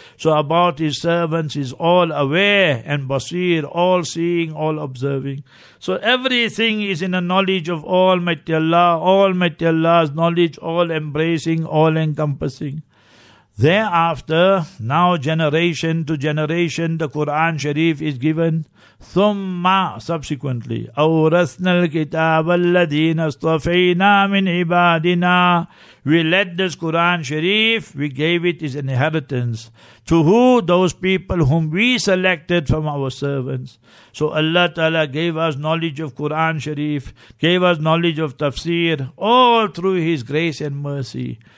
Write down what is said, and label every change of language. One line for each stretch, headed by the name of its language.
English: So about His servants, He's all aware and basir, all seeing, all observing. So everything is in the knowledge of Almighty Allah, Almighty Allah's knowledge, all embracing, all encompassing. Thereafter, now generation to generation, the Quran Sharif is given.
Arabic: Thumma,
English: subsequently,
Arabic: أورثنا الكتاب الذين اصطفينا من عبادنا.
English: We led this Quran Sharif, we gave it his inheritance. To who? Those people whom we selected from our servants. So Allah Ta'ala gave us knowledge of Quran Sharif, gave us knowledge of Tafsir, all through His grace and mercy.